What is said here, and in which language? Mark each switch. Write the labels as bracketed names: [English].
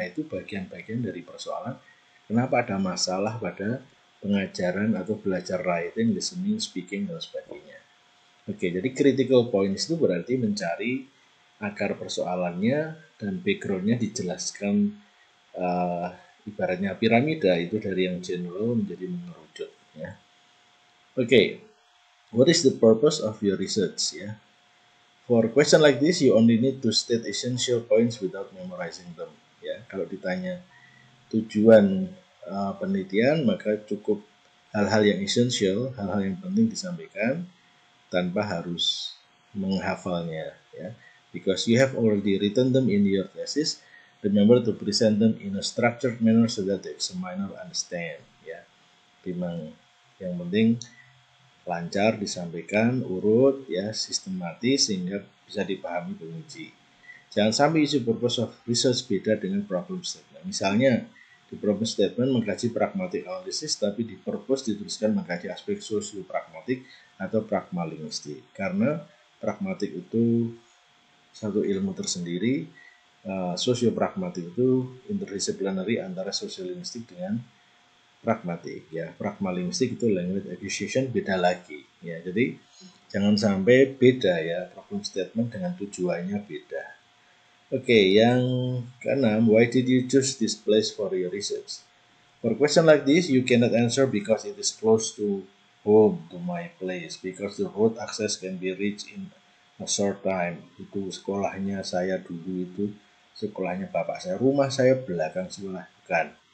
[Indonesian] Nah, itu bagian-bagian dari persoalan kenapa ada masalah pada pengajaran atau belajar writing, listening, speaking, dan sebagainya. Oke, jadi critical points itu berarti mencari akar persoalannya dan background-nya dijelaskan ibaratnya piramida itu dari yang general menjadi mengerucut. Ya. [English] Oke, what is the purpose of your research? Ya? For question like this, you only need to state essential points without memorizing them. [Indonesian] Ya. Kalau ditanya tujuan penelitian, maka cukup hal-hal yang essential, hal-hal yang penting disampaikan tanpa harus menghafalnya. Ya. [English] Because you have already written them in your thesis, remember to present them in a structured manner so that the examiner understand. [Indonesian] Ya. Memang yang penting lancar disampaikan, urut, ya, sistematis sehingga bisa dipahami penguji. Jangan sampai isu purpose of research beda dengan problem statement. Misalnya, di problem statement mengkaji pragmatic analysis, tapi di purpose dituliskan mengkaji aspek sosio-pragmatik atau pragmalinguistik. Karena pragmatik itu satu ilmu tersendiri, sosio-pragmatik itu interdisciplinary antara sosio-linguistik dengan pragmatik. Ya. Pragmalinguistik itu language acquisition, beda lagi. Ya. Jadi jangan sampai beda ya, problem statement dengan tujuannya beda. Oke, yang keenam, [English] why did you choose this place for your research? For question like this, you cannot answer because it is close to home, to my place, because the road access can be reached in a short time. [Indonesian] Itu sekolahnya saya dulu itu, sekolahnya bapak saya, rumah saya belakang sekolah, bukan.